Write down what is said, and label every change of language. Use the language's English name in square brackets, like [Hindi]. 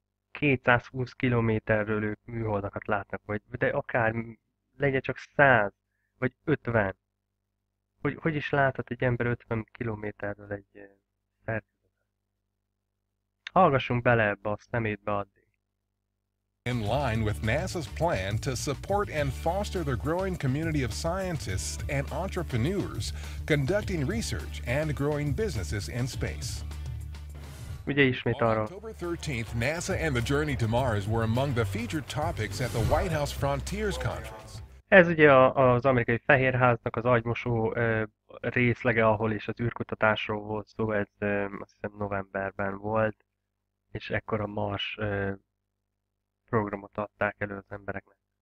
[Hungarian] 220 kilométerről ők műholdakat látnak, vagy de akár legyen csak 100, vagy 50. Hogy is láthat egy ember 50 kilométerről egy szerkezetet? Hallgassunk bele ebbe a szemétbe addig. [English] In line with NASA's plan to support and foster the growing community of scientists and entrepreneurs conducting research and growing businesses in space. [Hungarian] Ugye ismét arról. [English] On October 13th, NASA and the Journey to Mars were among the featured topics at the White House Frontiers Conference. [Hungarian] Ez ugye az amerikai fehérháznak az agymosó részlege, ahol is az űrkutatásról volt szó, ez azt hiszem novemberben volt, és ekkor a Mars programot adták elő az embereknek.